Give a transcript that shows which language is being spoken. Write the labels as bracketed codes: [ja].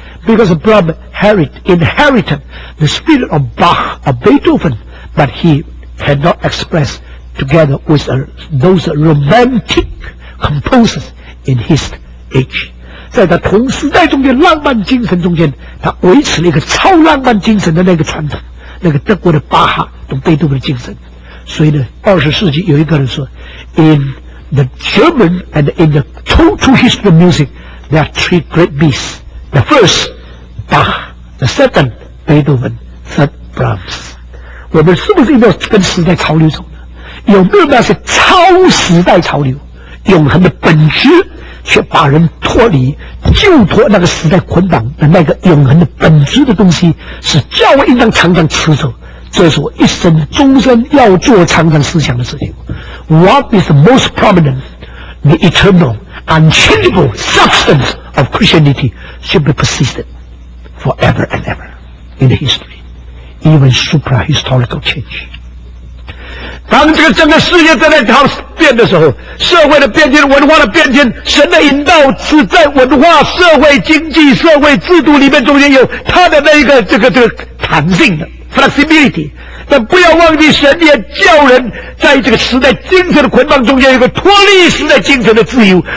[en] Because Brahm inherited the spirit of Bach or Beethoven, but he had not expressed together with those romantic composers in his age. [zh] 在他同时代中间浪漫精神中间，他维持了一个超浪漫精神的那个传统，那个德国的巴哈和贝多芬的精神。所以呢，二十世纪有一个人说 [en] ，In the German and in the total history of music, there are three great beasts. The first, Bach. The second, Beethoven. Third, Brahms. [zh] 我们是不是应该跟时代潮流走呢？有没有那些超时代潮流、永恒的本质，却把人脱离、救脱那个时代捆绑的那个永恒的本质的东西，是教会应当常常持守。这是我一生、终身要做、常常思想的事情。 [en] What is the most prominent, the eternal, unchangeable substance? Of Christianity should be persisted forever and ever in the history, even suprahistorical change. [zh] 当这个整个世界在那条变的时候，社会的变迁、文化的变迁，神的引导是在文化、社会、经济、社会制度里面中间有它的那一个这个弹性的 flexibility。但不要忘记，神也叫人在这个时代精神的捆绑中间，有个脱离时代精神的自由。